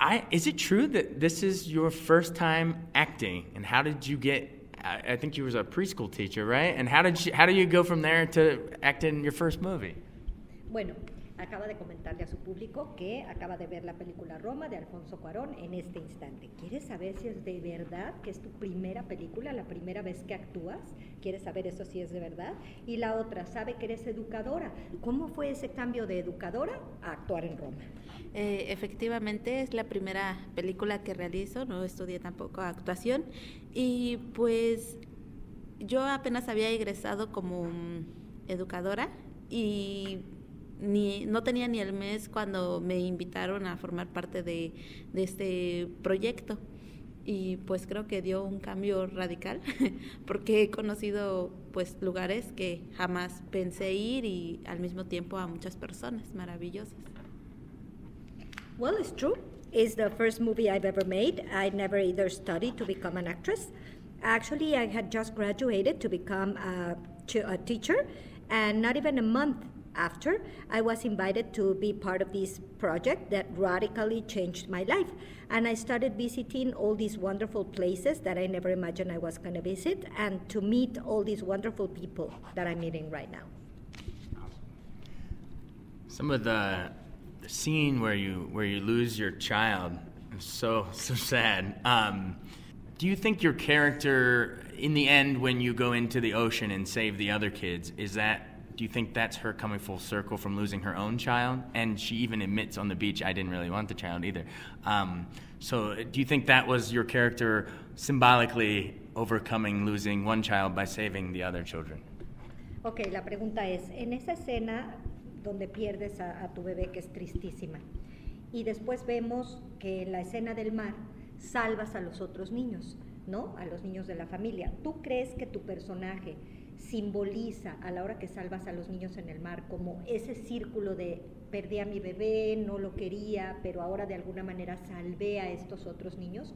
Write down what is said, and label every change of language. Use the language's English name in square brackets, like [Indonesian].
[English] Is it true that this is your first time acting? And how did you get? I think you was a preschool teacher, right? And how do you go from there to acting in your first movie? [Spanish] Bueno. Acaba de comentarle a su público que acaba de ver la película Roma de Alfonso Cuarón en este instante. ¿Quieres saber si es de verdad que es tu primera película, la primera vez que actúas? ¿Quieres saber eso si es de verdad? Y la otra, ¿sabe que eres educadora? ¿Cómo fue ese cambio de educadora a actuar en Roma? Efectivamente, es la primera película que realizo. No estudié tampoco actuación. Y pues yo apenas había egresado como educadora y no tenía ni el mes cuando me invitaron a formar parte de este proyecto. Y pues creo que dio un cambio radical, porque he conocido pues lugares que jamás pensé ir y al mismo tiempo a muchas personas maravillosas. [English] Well, it's true. It's the first movie I've ever made. I never either studied to become an actress. Actually, I had just graduated to become a teacher, and not even a month after, I was invited to be part of this project that radically changed my life. And I started visiting all these wonderful places that I never imagined I was going to visit, and to meet all these wonderful people that I'm meeting right now. Some of the scene where you lose your child is so sad. Do you think your character, in the end, when you go into the ocean and save the other kids, do you think that's her coming full circle from losing her own child? And she even admits on the beach, I didn't really want the child either. So do you think that was your character symbolically overcoming losing one child by saving the other children? [Spanish] Okay, la pregunta es, en esa escena donde pierdes a tu bebé, que es tristísima, y después vemos que en la escena del mar salvas a los otros niños, ¿no? A los niños de la familia. ¿Tú crees que tu personaje simboliza a la hora que salvas a los niños en el mar como ese círculo de perdí a mi bebé, no lo quería, pero ahora de alguna manera salvé a estos otros niños?